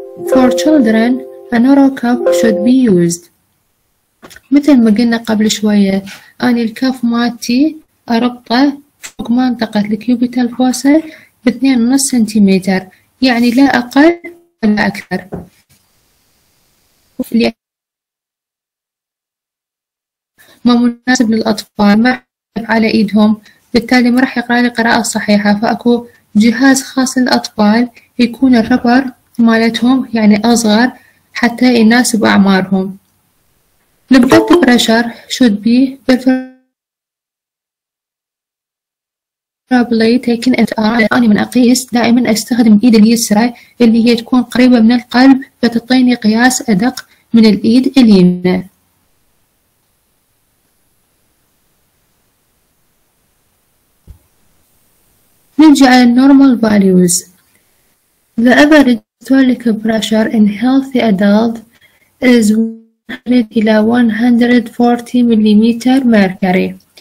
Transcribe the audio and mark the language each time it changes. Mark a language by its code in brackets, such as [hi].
[en] For children, a narrow cuff should be used. [ar] مثل ما قلنا قبل شوية، أنا الكف مالتي أربطه فوق منطقة الكيوبيتال فوسا باثنين ونص سنتيمتر، يعني لا أقل ولا أكثر. ما مناسب للأطفال، ما يقف على إيدهم، بالتالي ما راح يقرأ القراءة الصحيحة. فأكو جهاز خاص للأطفال يكون الربر مالتهم يعني أصغر حتى يناسب أعمارهم. [en] The blood pressure should be preferably taken at arm. [ar] أنا من أقيس دائما أستخدم الإيد اليسرى اللي هي تكون قريبة من القلب، فتعطيني قياس أدق من الإيد اليمنى. نرجع على [en] normal values. The average systolic pressure in healthy adult is 100 [ar] إلى 140 مليمتر مركري.